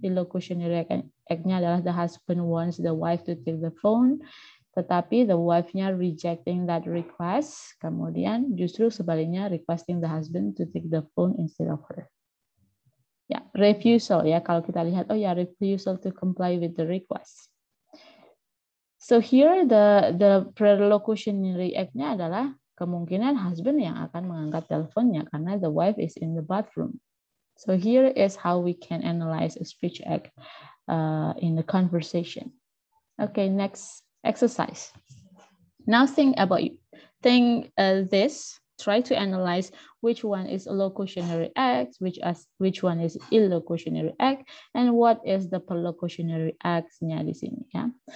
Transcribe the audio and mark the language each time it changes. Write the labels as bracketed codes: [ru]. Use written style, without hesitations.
[en] Illocutionary act-nya [id] adalah [en] the husband wants the wife to take the phone, [id] tetapi [en] the wife-nya rejecting that request. [id] Kemudian justru sebaliknya, [en] requesting the husband to take the phone instead of her. Ya, refusal ya, [id] kalau kita lihat, [en] oh ya, refusal to comply with the request. So here the prelocutionary act-nya [id] adalah kemungkinan [en] husband [id] yang akan mengangkat teleponnya karena [en] the wife is in the bathroom. So here is how we can analyze a speech act in the conversation. Okay, next exercise. Now think about you. Think this. Try to analyze which one is a locutionary act, which one is illocutionary act, and what is the prelocutionary act-nya [id] di sini. [en] Yeah?